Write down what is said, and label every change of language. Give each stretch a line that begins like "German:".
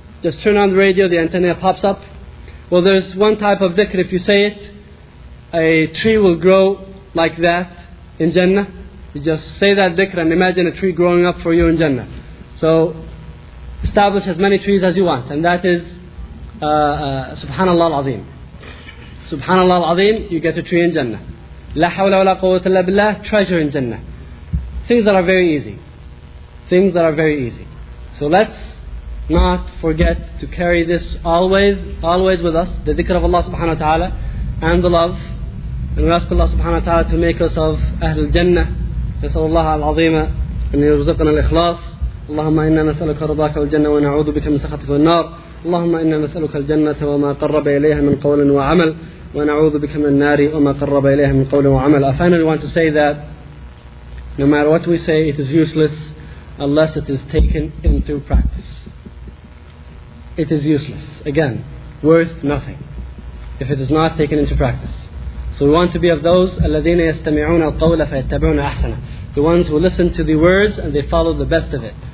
English: Just turn on the radio, the antenna pops up. Well, there's one type of dhikr, if you say it, a tree will grow like that in Jannah. You just say that dhikr and imagine a tree growing up for you in Jannah. So establish as many trees as you want, and that is subhanallah al-azim. Subhanallah al-azim, you get a tree in Jannah.
Arabic: لا حول ولا قوة إلا بالله,
English: treasure in Jannah. Things that are very easy. Things that are very easy. So let's not forget to carry this always with us, the dhikr of Allah subhanahu wa ta'ala and the love. And we ask Allah subhanahu wa ta'ala to make us of Ahlul Jannah.
Arabic: نسأل الله العظيم أن يرزقنا الإخلاص. اللهم إنا نسألك رضاك والجنة ونعوذ بك من سخطك والنار. اللهم إنا نسألك الجنة وما قرب إليها من قول وعمل ونعوذ بك من النار وما قرب إليها من قول وعمل.
English: I finally want to say that no matter what we say, it is useless unless it is taken into practice. It is useless. Again, worth nothing if it is not taken into practice. So we want to be of those
Arabic: الَّذِينَ يَسْتَمِعُونَ الْقَوْلَ فَيَتَّبِعُونَ أَحْسَنًا,
English: the ones who listen to the words and they follow the best of it.